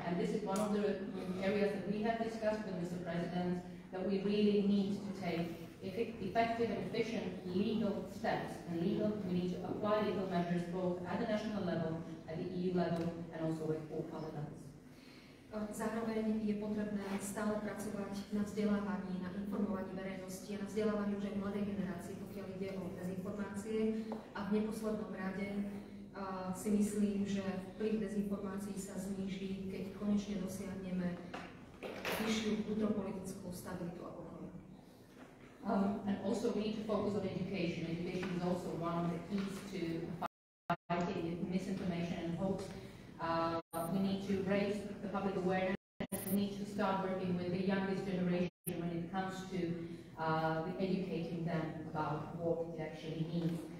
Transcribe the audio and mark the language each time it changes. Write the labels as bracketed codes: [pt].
[en] And this is one of the areas that we have discussed with Mr. President, that we really need to take effective and efficient legal steps. And legal, we need to apply legal measures both at the national level, at the EU level, and also with all parliaments. [sk] Zároveň je potrebné stále pracovať na vzdelávaní, na informovaní verejnosti a na vzdelávaní už aj mladej generácie, pokiaľ ide o dezinformácie. A v neposlednom rade si myslím, že vplyv dezinformácií sa zníži, keď konečne dosiahneme vyššiu vnútropolitickú stabilitu a pokoju. [en] And also we need to focus on education. Education is also one of the keys to fighting misinformation and hoax. We need to raise the public awareness, we need to start working with the youngest generation when it comes to educating them about what it actually means.